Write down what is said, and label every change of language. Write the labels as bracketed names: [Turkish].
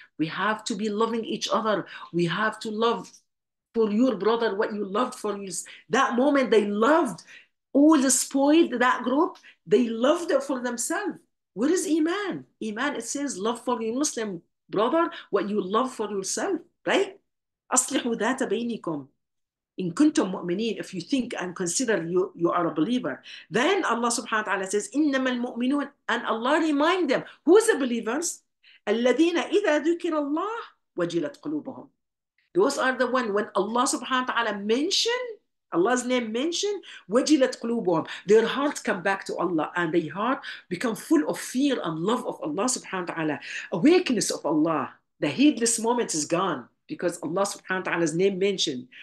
[English] We have to be loving each other. We have to love for your brother what you loved for you. That moment they loved all the spoiled, that group, they loved it for themselves. What is iman? Iman, it says love for your Muslim brother what you love for yourself, right? [Arabic] أصلحوا ذات بينكم إن كنتم مؤمنين. [English] If you think and consider you are a believer, then Allah subhanahu wa ta'ala says [Arabic] إنما المؤمنون, [English] and Allah remind them, who is the believers? [Arabic] الذين إذا ذكر الله وجلت قلوبهم. [English] Those are the one when Allah subhanahu wa ta'ala mention Allah's name mentioned, [Arabic] وجلت قلوبهم, [English] their hearts come back to Allah and their heart become full of fear and love of Allah subhanahu wa ta'ala, awakeness of Allah, the heedless moment is gone because Allah subhanahu wa ta'ala's name mentioned.